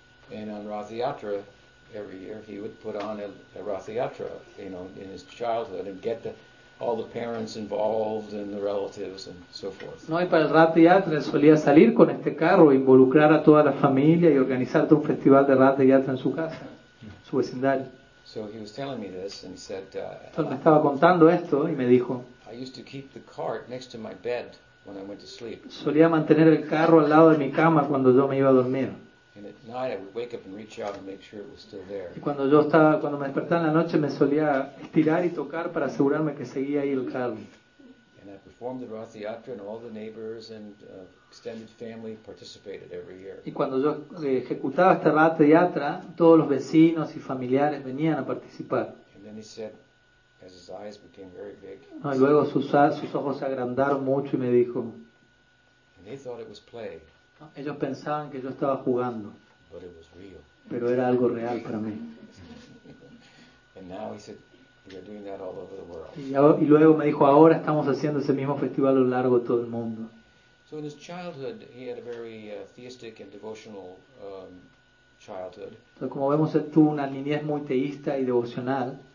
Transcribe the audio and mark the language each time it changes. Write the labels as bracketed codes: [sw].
[en] And on Ratha Yatra, every year he would put on a Ratha Yatra, you know, in his childhood, and get all the parents involved and the relatives and so forth. [es] No, y para el Ratha Yatra solía salir con este carro, involucrar a toda la familia y organizar todo un festival de Ratha Yatra en su casa, su vecindario. [en] So he was telling me this, and he said. [es] Me estaba contando esto y me dijo. [en] I used to keep the cart next to my bed when I went to sleep. [es] Solía mantener el carro al lado de mi cama cuando yo me iba a dormir. [en] And at night I would wake up and reach out and make sure it was still there. [es] Y cuando me despertaba en la noche me solía estirar y tocar para asegurarme que seguía ahí el carro. [en] And I performed the Ratha Yatra, and all the neighbors and extended family participated every year. [es] Y cuando yo ejecutaba esta Ratha Yatra, todos los vecinos y familiares venían a participar. [en] And then he said, as his eyes became very big. [es] No, y luego sus ojos se agrandaron mucho y me dijo. [en] And they thought it was play. [es] No, ellos pensaban que yo estaba jugando. [en] But it was real. [es] Pero era algo real para mí. [en] And now he said, we are doing that all over the world. [es] Y luego me dijo, ahora estamos haciendo ese mismo festival a lo largo de todo el mundo. [en] So in his childhood, he had a very theistic and devotional childhood. [es] Entonces, como vemos, tuvo una niñez muy teísta y devocional.